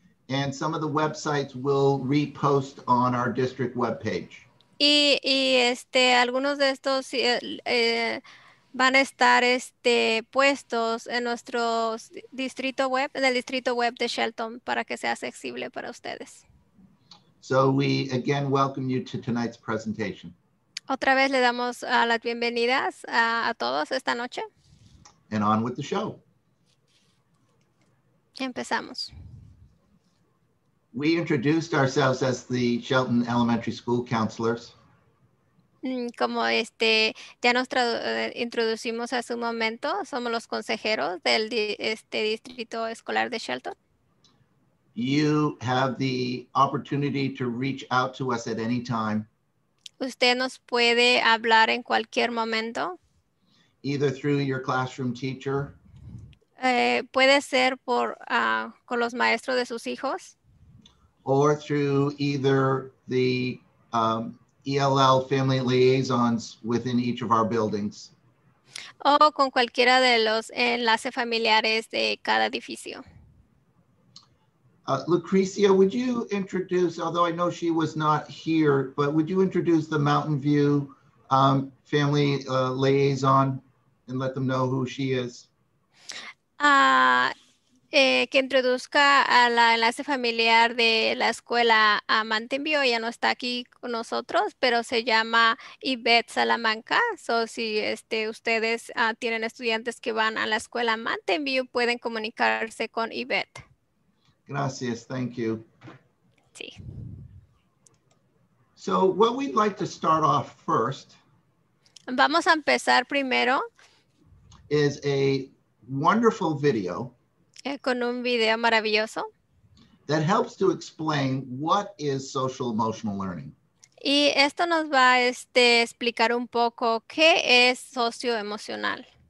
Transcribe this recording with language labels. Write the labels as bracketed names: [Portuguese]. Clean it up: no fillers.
[English] And some of the websites will repost on our district webpage. [Spanish] Y algunos de estos van a estar puestos en nuestro distrito web, en el distrito web de Shelton, para que sea accesible para ustedes. [English] So we again welcome you to tonight's presentation. [Spanish] Otra vez le damos las bienvenidas a todos esta noche. [English] And on with the show. [Spanish] Empezamos. [English] We introduced ourselves as the Shelton Elementary School Counselors. [Spanish] Como ya nos introducimos hace un momento, somos los consejeros del distrito escolar de Shelton. [English] You have the opportunity to reach out to us at any time. [Spanish] Usted nos puede hablar en cualquier momento. [English] Either through your classroom teacher. [Spanish] Puede ser por con los maestros de sus hijos. [English] Or through either the ELL family liaisons within each of our buildings. [Spanish] O con cualquiera de los enlaces familiares de cada edificio. [English] Lucrecia, would you introduce, although I know she was not here, but would you introduce the Mountain View family liaison and let them know who she is? [Spanish] Que introduzca a la enlace familiar de la escuela a Mountain View. Ella no está aquí con nosotros, pero se llama Yvette Salamanca. So, si ustedes tienen estudiantes que van a la escuela Mountain View, pueden comunicarse con Yvette. Gracias, [English] thank you. [Spanish] Sí. [English] So, what we'd like to start off first. [Spanish] Vamos a empezar primero. [English] Is a wonderful video. [Spanish] Con un video maravilloso. [English] That helps to explain what is social emotional learning. [Spanish] Y esto nos va a explicar un poco qué es socio emocional.